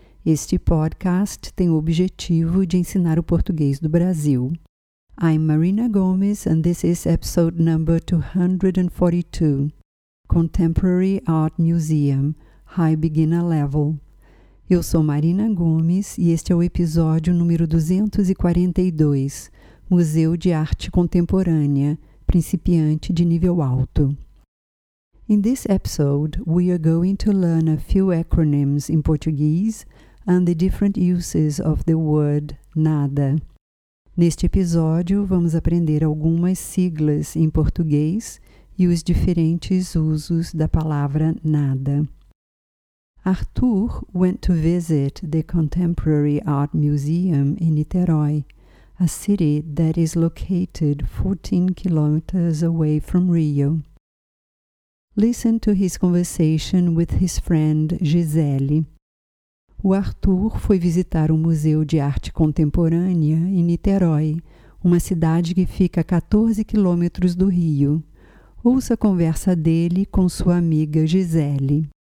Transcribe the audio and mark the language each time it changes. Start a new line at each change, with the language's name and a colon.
Portuguese: Este podcast tem o objetivo de ensinar o português do Brasil.
English: I'm Marina Gomes and this is episode number 242. Contemporary Art Museum, High Beginner Level.
Portuguese: Eu sou Marina Gomes e este é o episódio número 242, Museu de Arte Contemporânea, Principiante de Nível Alto.
English: In this episode, we are going to learn a few acronyms in Portuguese and the different uses of the word nada.
Portuguese: Neste episódio, vamos aprender algumas siglas em português e os diferentes usos da palavra nada.
English: Arthur went to visit the Contemporary Art Museum in Niterói, a city that is located 14 kilometers away from Rio. Listen to his conversation with his friend Gisele.
Portuguese: O Arthur foi visitar o Museu de Arte Contemporânea em Niterói, uma cidade que fica a 14 quilômetros do Rio. Ouça a conversa dele com sua amiga Gisele.